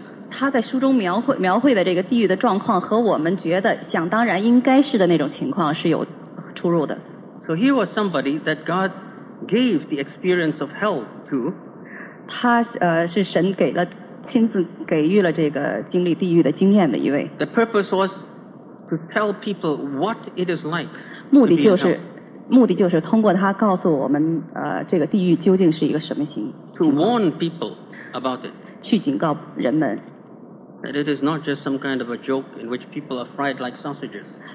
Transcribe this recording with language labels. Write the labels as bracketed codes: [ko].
[zh] 他在书中描绘的这个地狱的状况和我们觉得想当然应该是的那种情况是有出入的。 [en] So here was somebody that God gave the experience of hell to. [zh] 他是神给了亲自给予了这个经历地狱的经验的一位。 [en] The purpose was to tell people what it is like. [zh] 目的就是通过他告诉我们，这个地狱究竟是一个什么形。 [en] To warn people about it. [zh] 去警告人们。 [en] That it is not just some kind of a joke in which people are fried like sausages.